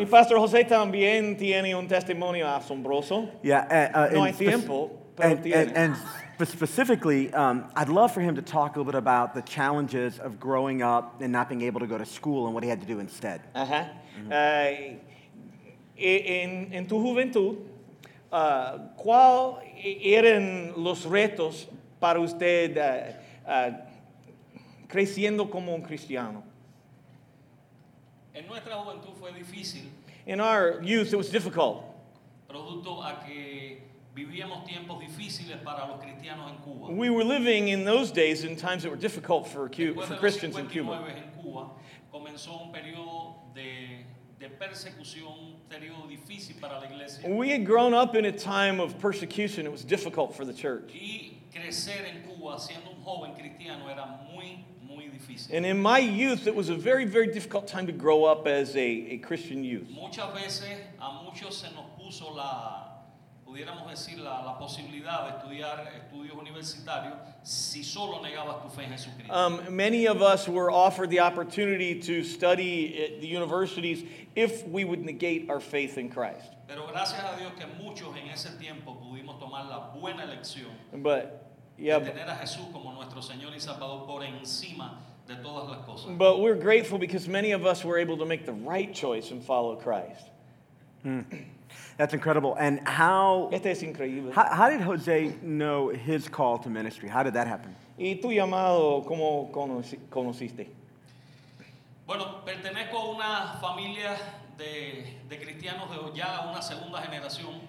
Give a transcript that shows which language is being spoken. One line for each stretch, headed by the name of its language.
Spanish: Y Pastor Jose también tiene un testimonio asombroso.
English: Yeah, specifically, I'd love for him to talk a little bit about the challenges of growing up and not being able to go to school and what he had to do instead.
Spanish: En tu juventud, ¿cuál eran los retos para usted? Creciendo como un cristiano. En nuestra juventud fue difícil.
English: In our youth, it was difficult.
Spanish: Producto a que vivíamos tiempos difíciles para los cristianos en Cuba.
English: We were living in those days in times that were difficult for Christians in Cuba.
Spanish: Después de los 59 en Cuba, comenzó un periodo de persecución, periodo difícil para la iglesia.
English: We had grown up in a time of persecution. It was difficult for the church.
Spanish: Y crecer en Cuba siendo un joven cristiano era muy.
English: And in my youth, it was a very, very difficult time to grow up as a Christian youth.
Spanish: Muchas veces a muchos se nos puso la, pudiéramos decir, la posibilidad de estudiar estudios universitarios si solo negabas tu fe en Jesucristo.
English: Many of us were offered the opportunity to study at the universities if we would negate our faith in Christ.
Spanish: Pero gracias a Dios que muchos en ese tiempo pudimos tomar la buena elección.
English: But yeah,
Spanish: tener a Jesús como nuestro Señor y Salvador por encima de todas las cosas.
English: But we're grateful because many of us were able to make the right choice and follow Christ. That's incredible. And how?
Spanish: Este es increíble.
English: How did Jose know his call to ministry? How did that happen?
Spanish: ¿Y tu llamado cómo conociste? Bueno, pertenezco a una familia de cristianos de ya una segunda generación.